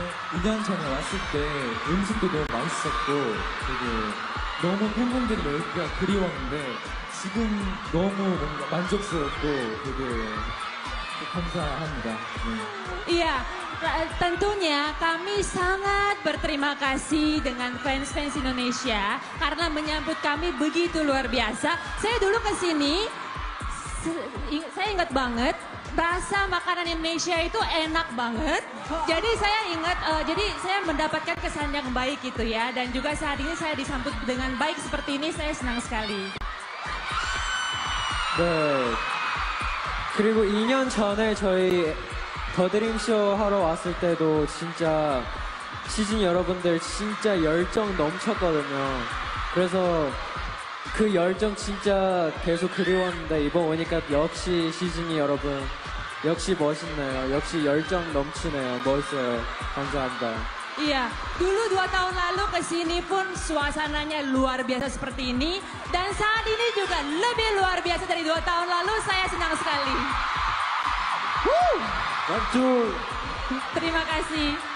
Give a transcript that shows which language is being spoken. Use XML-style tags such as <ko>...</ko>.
<ko>2년 전에 왔을 때 음식도 너무 맛있었고 되게 너무 팬분들이 넓기가 그리웠는데 지금 너무 뭔가 만족스럽고 되게 감사합니다. 네.</ko> <id>Iya, tentunya kami sangat berterima kasih dengan fans-fans Indonesia karena menyambut kami begitu luar biasa. Saya dulu kesini, saya ingat banget rasa makanan Indonesia itu enak banget. Jadi saya ingat, jadi saya mendapatkan kesan yang baik gitu ya. Dan juga saat ini saya disambut dengan baik seperti ini, saya senang sekali.</id> <ko>네. 그리고 2년 전에 저희 더 드림쇼 하러 왔을 때도 진짜 시즌 여러분들 진짜 열정 넘쳤거든요. 그래서 그 열정 진짜 계속 그리웠는데 이번 오니까 역시 시즌이 여러분 역시 멋있네요. 역시 열정 넘치네요. 멋있어요. 감사합니다.</ko> <id>Iya, dulu 2 tahun lalu kesini pun suasananya luar biasa seperti ini. Dan saat ini juga lebih luar biasa dari 2 tahun lalu. Saya senang sekali. Woo! Mantul. Terima kasih.</id>